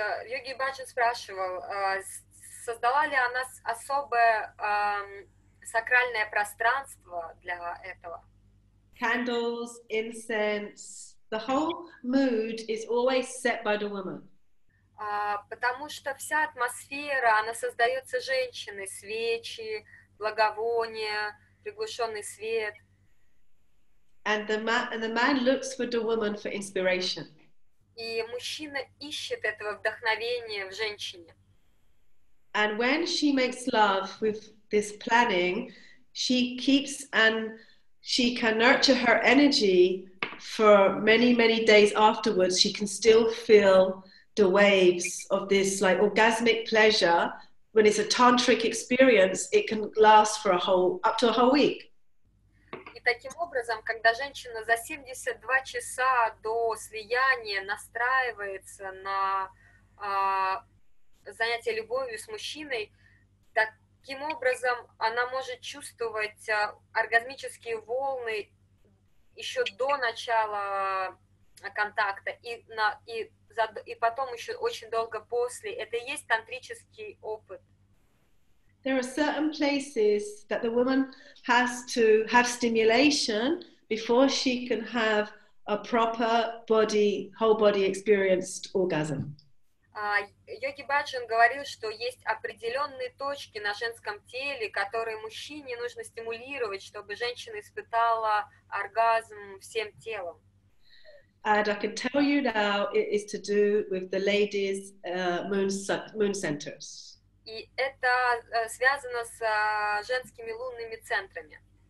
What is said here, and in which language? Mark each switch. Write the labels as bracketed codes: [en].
[ru] Йоги Баджан спрашивал, создала ли она особое сакральное пространство для этого. [en] Candles, incense, the whole mood is always set by the woman. [ru] Потому что вся атмосфера, она создается женщиной, свечи, благовония, приглушенный свет. [en] And the man looks for the woman for inspiration. [ru] И мужчина ищет этого вдохновения в женщине. [en] And when she makes love with this planning, she keeps and she can nurture her energy for many, many days afterwards. She can still feel the waves of this like orgasmic pleasure. When it's a tantric experience, it can last for a whole, up to a whole week. [ru] И таким образом, когда женщина за 72 часа до слияния настраивается на занятие любовью с мужчиной, таким образом, она может чувствовать оргазмические волны еще до начала контакта и потом еще очень долго после. Это и есть тантрический опыт. [en] There are certain places that the woman has to have stimulation before she can have a proper body, whole body experienced orgasm. [ru] Йоги Баджан говорил, что есть определенные точки на женском теле, которые мужчине нужно стимулировать, чтобы женщина испытала оргазм всем телом. [en] And I can tell you now it is to do with the ladies' moon centers. [ru] И это связано с женскими лунными центрами.